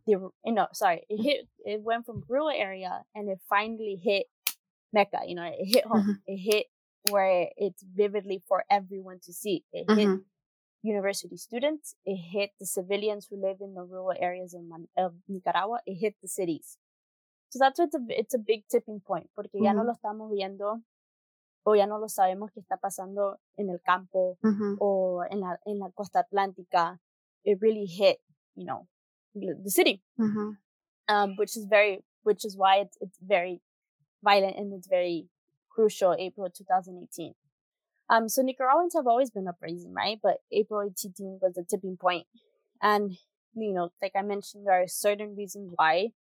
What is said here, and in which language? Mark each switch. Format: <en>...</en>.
<en>It went from rural area and it finally hit Mecca. You know, it hit home. Mm-hmm. It hit where it's vividly for everyone to see. It, mm-hmm, hit university students. It hit the civilians who live in the rural areas of Nicaragua. It hit the cities. So that's why it's a big tipping point.</en> <es>Porque, mm-hmm, ya no lo estamos viendo. O ya no lo sabemos que está pasando en el campo, mm-hmm, o en la costa atlántica.</es> <en>It really hit, you know, the city, mm-hmm, which is why it's very violent and it's very crucial, April 2018. So Nicaraguans have always been uprising, right? But April 18 was a tipping point, and you know, like I mentioned, there are certain reasons why.</en>